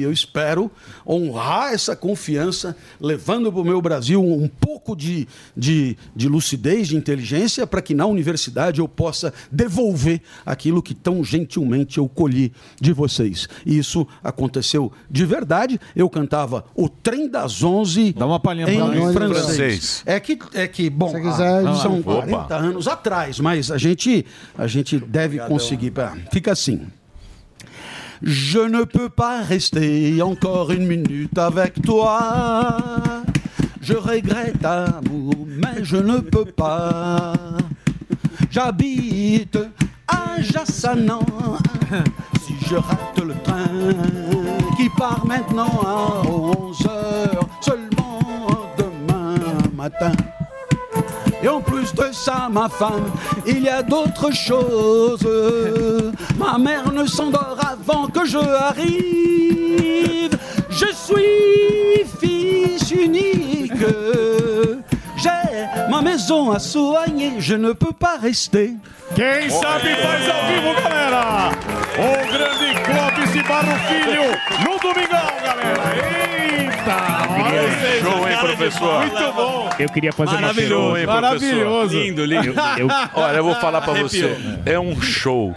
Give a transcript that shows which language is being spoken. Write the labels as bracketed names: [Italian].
[Portuguese] Eu espero honrar essa confiança, levando para o meu Brasil um pouco de lucidez, de inteligência, para que na universidade eu possa devolver aquilo que tão gentilmente eu colhi de vocês. E isso aconteceu de verdade. Eu cantava O Trem das Onze. Dá uma palhinha em francês. É que bom, são 40 anos atrás, mas a gente deve conseguir. Fica assim. [French] Je ne peux pas rester encore une minute avec toi. Je regrette, amour, mais je ne peux pas. J'habite à Jassanan. Si je rate le train qui part maintenant à 11h, seulement demain matin. Et en plus de ça, ma femme, il y a d'autres choses. Ma mère ne s'endort avant que je arrive. Je suis fils unique. J'ai ma maison à soigner, je ne peux pas rester. [Portuguese] Quem sabe faz ao vivo, galera! O grande Clóvis e Barro Filho, no domingão, galera! Eita! Olha vocês, show, hein, professor? Muito bom! Eu queria fazer uma pergunta. Maravilhoso! Lindo, lindo! Olha, eu vou falar pra você. É um show.